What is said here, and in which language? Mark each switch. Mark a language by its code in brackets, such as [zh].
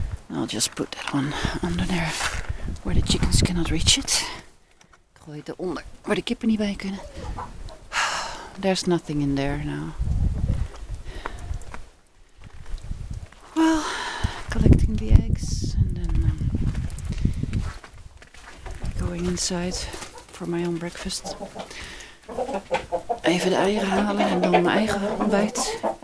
[en] I'll just put that one under there, where the chickens cannot reach it. [nl] Gooi het eronder, waar de kippen niet bij kunnen. [en] There's nothing in there now. Well, collecting the eggs and then going inside for my own breakfast. [nl] Even de eieren halen en dan mijn eigen ontbijt.